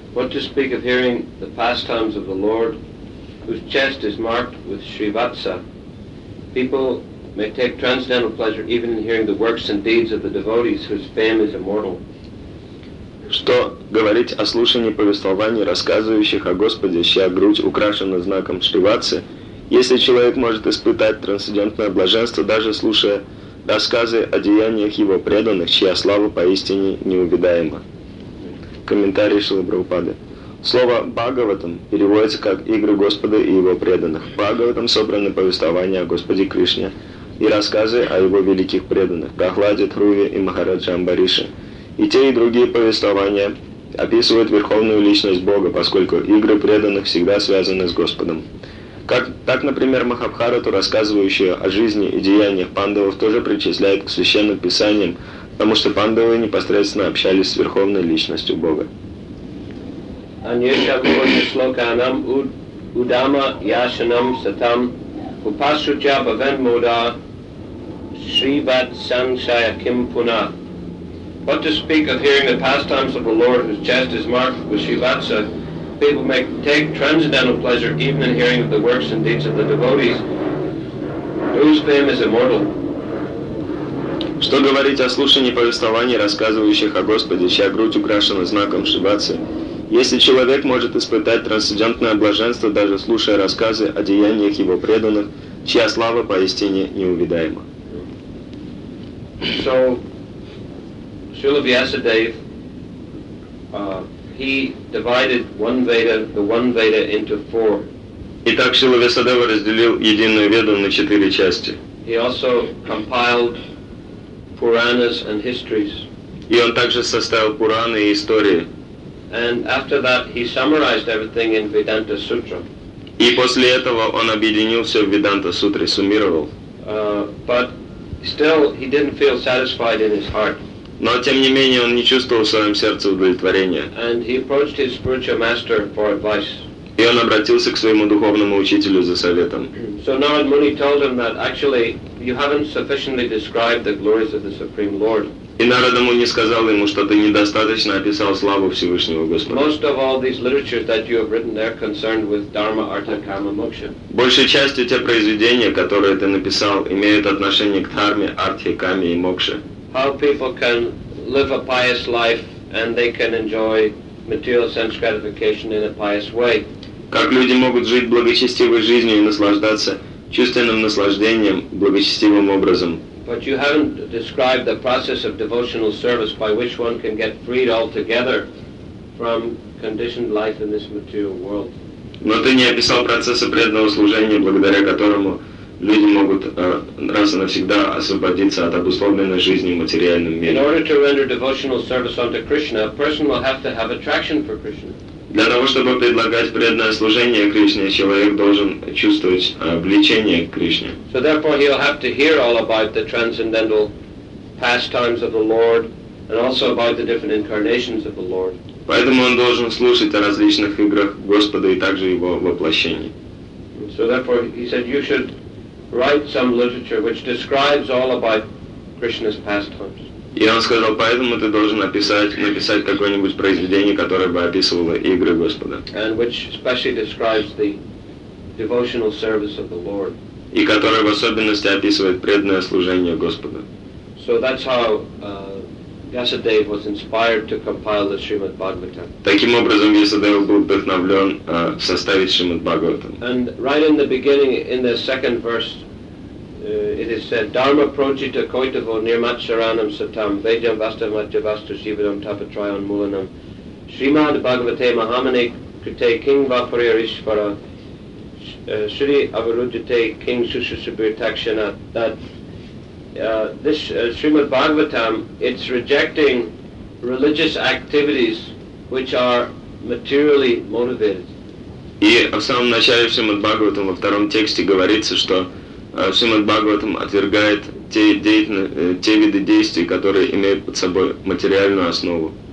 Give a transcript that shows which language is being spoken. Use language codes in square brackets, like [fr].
[en] What to speak of hearing the pastimes of the Lord, whose chest is marked with Shrivatsa? People may take transcendental pleasure even in hearing the works and deeds of the devotees whose fame is immortal. [ru] Что говорить о слушании повествований, рассказывающих о Господе, чья грудь украшена знаком Шривацы? Если человек может испытать трансцендентное блаженство, даже слушая рассказы о деяниях его преданных, чья слава поистине неувидаема. Комментарий Шрилы Прабхупады. Слово «Бхагаватам» переводится как «Игры Господа и его преданных». В Бхагаватам собраны повествования о Господе Кришне и рассказы о его великих преданных, Прахладе, Труве и Махараджа Амбарише. И те, и другие повествования описывают верховную личность Бога, поскольку игры преданных всегда связаны с Господом. Так, например, Махабхарату, рассказывающую о жизни и деяниях пандавов, тоже причисляют к священным писаниям, потому что пандавы непосредственно общались с верховной личностью Бога. [sa] Анеша пунья шлоканам удама яшанам сатам упасуча бхавен мода шриватсанкшая ким пуна. [en] What to speak of hearing the pastimes of the Lord whose chest is marked with Shrivatsa? People may take transcendental pleasure even in hearing of the works and deeds of the devotees, whose fame is immortal. [ru] Что говорить о слушании повествований, рассказывающих о Господе, чья грудь украшена знаком Шивацы? Если человек может испытать трансцендентное блаженство, даже слушая рассказы о деяниях его преданных, чья слава поистине неувидаема. [en] So, Srila Vyasadeva, he divided one Veda, the one Veda, into four. [ru] Итак, Шрила Вьясадева разделил единую Веду на четыре части. [en] He also compiled Puranas and histories. [ru] И он также составил Пураны и истории. [en] And after that, he summarized everything in Vedanta Sutra. [ru] И после этого он объединил все в Веданта Сутре, суммировал. [en] But still, he didn't feel satisfied in his heart. [ru] Но, тем не менее, он не чувствовал в своем сердце удовлетворения. [en] And he approached his spiritual master for advice. [ru] И он обратился к своему духовному учителю за советом. [en] So Narad Muni told him that actually you haven't sufficiently described the glories of the Supreme Lord. [ru] И Нарада Муни сказал ему, что ты недостаточно описал славу Всевышнего Господа. [en] Most of all these literatures that you have written, they're concerned with Dharma, Artha, Karma, Moksha. [ru] Большей частью те произведения, которые ты написал, имеют отношение к Дхарме, Артхе, Каме и Мокше. [en] How people can live a pious life and they can enjoy material sense gratification in a pious way. [ru] Как люди могут жить благочестивой жизнью и наслаждаться чувственным наслаждением благочестивым образом? [en] But you haven't described the process of devotional service by which one can get freed altogether from conditioned life in this material world. [ru] Но ты не описал процессы преданного служения, благодаря которому люди могут раз и навсегда освободиться от обусловленной жизни в материальном мире. [en] In order to render devotional service unto Krishna, a person will have to have attraction for Krishna. [ru] Для того, чтобы предлагать преданное служение Кришне, человек должен чувствовать влечение к Кришне. [en] So therefore he'll have to hear all about the transcendental pastimes of the Lord and also about the different incarnations of the Lord. [ru] Поэтому он должен слушать о различных играх Господа и также его воплощении. [en] So therefore he said you should write some literature which describes all about Krishna's pastimes. [ru] И он сказал, поэтому ты должен написать какое-нибудь произведение, которое бы описывало игры Господа. [en] And which especially describes the devotional service of the Lord. [ru] И которое в особенности описывает преданное служение Господу. [en] So that's how Vyasadeva was inspired to compile the Srimad Bhagavatam. [ru] Таким образом, Vyasadeva был вдохновлен составить Srimad Bhagavatam. [en] And right in the beginning, in the second verse, it is said, [sa] Dharma Projita Koitavo Nirmat Saranam Satam Vedyam Vastam Vajyavastu Sivadam Tapatrayan Mulanam Srimad Bhagavate Mahamane Kute King Vapurya Rishvara Sri Avarujate King Sushusubir Takshana. [en] That this Srimad Bhagavatam, it's rejecting religious activities which are materially motivated. [ru] И в самом начале Srimad Bhagavatam, во втором тексте, говорится, что Шримад Бхагаватам отвергает те виды действий, которые имеют под собой материальную основу.